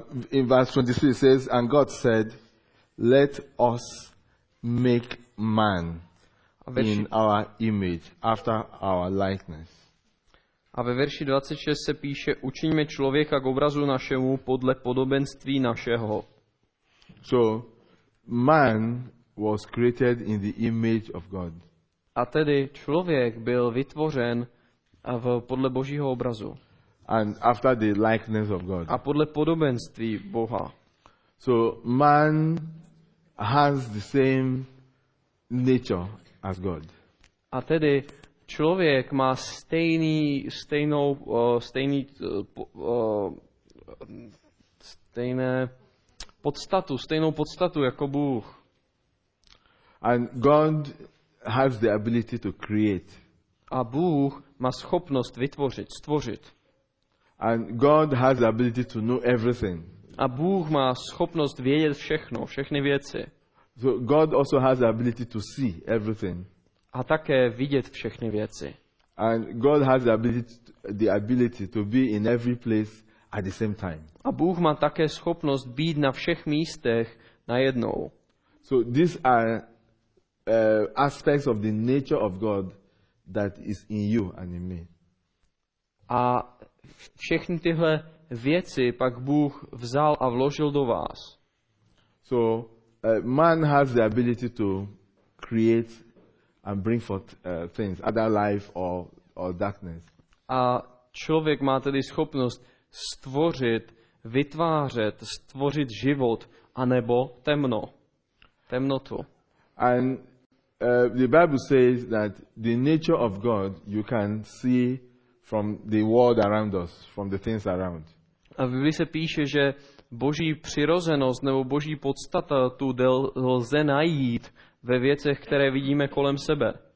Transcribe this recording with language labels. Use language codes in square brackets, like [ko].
[en] In verse 26 it says, and God said, let us make man in our image, after our likeness. [cs] A ve verši 26 se píše, učiňme člověka k obrazu našemu podle podobenství našeho. [en] So, man was created in the image of God. [cs] A tedy člověk byl vytvořen v podle Božího obrazu. [en] And after the likeness of God. [cs] A podle podobenství Boha. [en] So, man has the same nature as God. [cs] A tedy člověk má stejnou podstatu jako Bůh. [en] And God has the ability to create. [cs] A Bůh má schopnost vytvořit, stvořit. [en] And God has the ability to know everything. [cs] A Bůh má schopnost vědět všechno, všechny věci. [en] So God also has the ability to see everything. [cs] A také vidět všechny věci. [en] And God has the ability to be in every place at the same time. [cs] A Bůh má také schopnost být na všech místech najednou. [en] So these are aspects of the nature of God that is in you and in me. [cs] A všechny tyhle věci pak Bůh vzal a vložil do vás. [en] So man has the ability to create and bring forth things, either life or darkness. [cs] A člověk má tedy schopnost stvořit, vytvářet, stvořit život anebo temno, temnotu. [en] And the Bible says that the nature of God you can see from the world around us, from the things around. [cs] A v Biblii se píše, že Boží přirozenost nebo Boží podstata tu lze najít ve věcech, které vidíme kolem sebe.